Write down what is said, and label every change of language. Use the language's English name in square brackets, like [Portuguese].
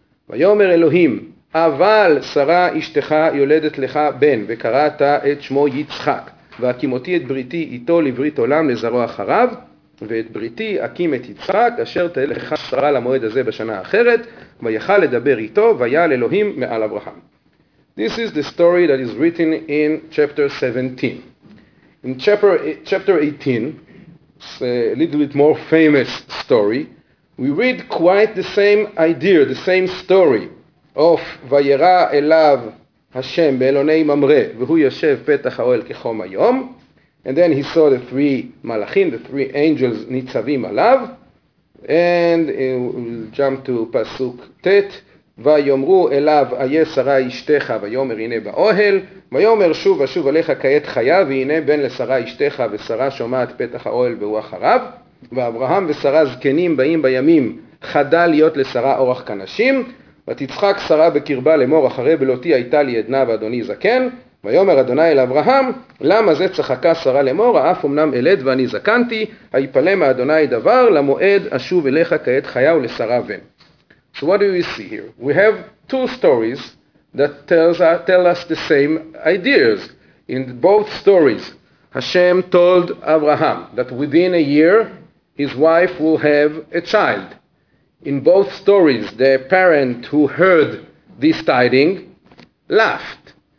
[Hebrew] ויאמר אלוהים, אבל שרה אשתך יולדת לך בן, וקראת את שמו יצחק, והקימותי את בריתי איתו לברית עולם לזרוע אחריו, ואת בריתי אקים את יצחק, אשר תלך שרה למועד הזה בשנה אחרת, ויכל לדבר איתו, ויעל אלוהים מעל אברהם. [English] This is the story that is written in chapter 17. In chapter 18, it's a little bit more famous story, we read quite the same idea, the same story of [Hebrew] וירא אליו השם באלוני ממרא, והוא יושב פתח האוהל כחום היום, [English] and then he saw the three malachim, the three angels [Hebrew] ניצבים עליו, [English] and we'll jump to [Hebrew] פסוק ט', ויאמרו אליו, איה שרה אשתך, ויאמר הנה באוהל, ויאמר שוב ושוב עליך כעת חיה, והנה בן לשרה אשתך, ושרה שומעת פתח האוהל והוא אחריו, ואברהם ושרה זקנים באים בימים, חדה להיות לשרה אורח כנשים, ותצחק שרה בקרבה למור, אחרי בלותי הייתה לי עדנה ואדוני זקן, ויאמר אדוני אל אברהם, למה זה צחקה שרה למור, האף אמנם אלד ואני זקנתי, היפלא מאדוני דבר, למועד אשוב אליך כעת חיה ולשרה בן. [English] So what do we see here? We have two stories that tell us the same ideas. In both stories, Hashem told Abraham that within a year, his wife will have a child. In both stories, the parent who heard this tiding laughed.